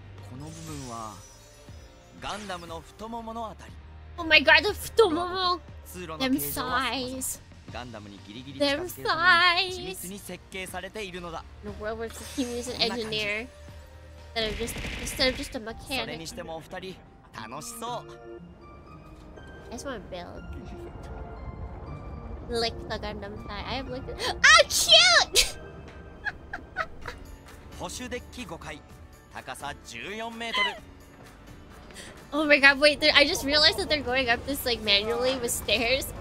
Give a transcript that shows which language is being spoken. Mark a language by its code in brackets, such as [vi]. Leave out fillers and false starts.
[ja] この部分はガンダムの太もものあたり。 [en] Oh my god, the 太もも。 [ja] 通路の形状はそもそも。ガンダムにギリギリ近づけるように緻密に設計されているのだ。 [en] The world where Tsukimi is an engineer, instead of just a mechanic. [ja] それにしてもお二人楽しそう。 [en] I just want to build. Lick the Gundam thigh. I have licked it. Ah, cute! [ja] 補修デッキ5階、高さ14メートル。 [en] Oh my god, wait, I just realized that they're going up this like manually with stairs.